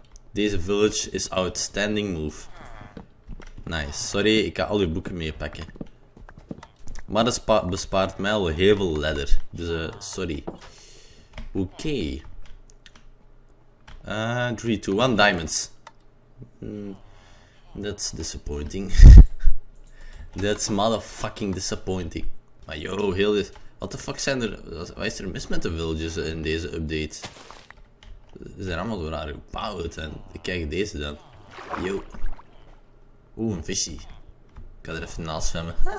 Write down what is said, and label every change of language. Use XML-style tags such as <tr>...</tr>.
<nl>Deze</nl> <en>village is outstanding move. Nice.</en> <nl>Sorry, ik ga al uw boeken meepakken. Maar dat bespaart mij al heel veel ladder. Dus, sorry. Oké. 3, 2, 1, diamonds.</nl> <en>That's disappointing. That's motherfucking disappointing.</en> <nl>Maar yo, heel dit.</nl> <en>What the fuck</en> <nl>zijn er. Wat is er mis met de villages in deze update? Ze zijn allemaal zo raar gebouwd. En kijk deze dan. Yo. Oeh, een visie. Ik ga er even naast zwemmen.</nl>